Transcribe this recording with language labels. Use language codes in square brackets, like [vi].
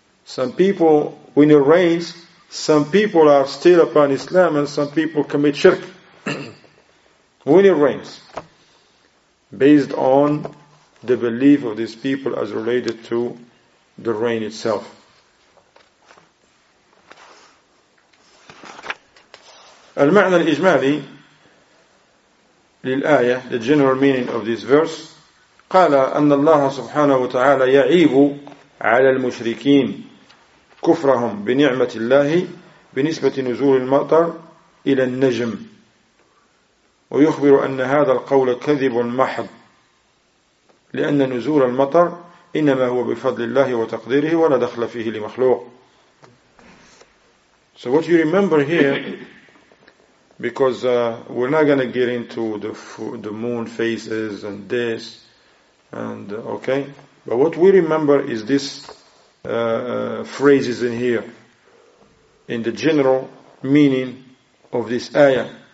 [en] Some people, when it rains, some people are still upon Islam and some people commit shirk. When it rains, based on the belief of these people as related to the rain itself. [ar] المعنى الإجمالي للآية, [en] the general meaning of this verse, [ar] قال أن الله سبحانه وتعالى يعيب على المشركين كفرهم بنعمة الله بنسبة نزول المطر إلى النجم ويخبر أن هذا القول كذب محض لأن نزول المطر إنما هو بفضل الله وتقديره ولا دخل فيه لمخلوق. [en] So what you remember here, because we're not going to get into the moon phases and this, and okay, but what we remember is this phrases in here, in the general meaning of this ayah.